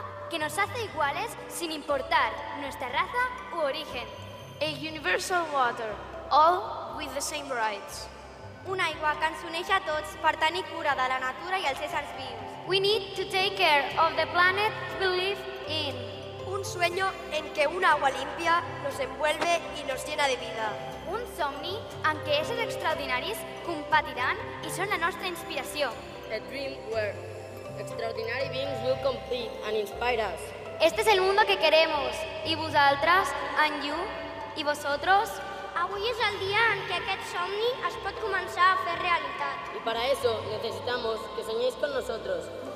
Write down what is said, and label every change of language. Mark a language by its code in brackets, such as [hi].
[es] que nos hace iguales sin importar nuestra raza u origen. [en] A universal water, all with the same rights. [ca] Una aigua que ens uneix a tots per tenir cura de la natura i els éssers vius. [en] We need to take care of the planet we live in. [es] Un sueño en que un agua limpia nos envuelve y nos llena de vida. [ca] Un somni en què éssers extraordinaris competiran i són la nostra inspiració. [en] A dream where extraordinary beings will compete and inspire us. [es] Este es el mundo que queremos. [ca] I vosaltres, [en] and you, [es] i vosotros. [ca] Avui és el dia en què aquest somni es pot començar a fer realitat. [es] Y para eso necesitamos que soñéis con nosotros.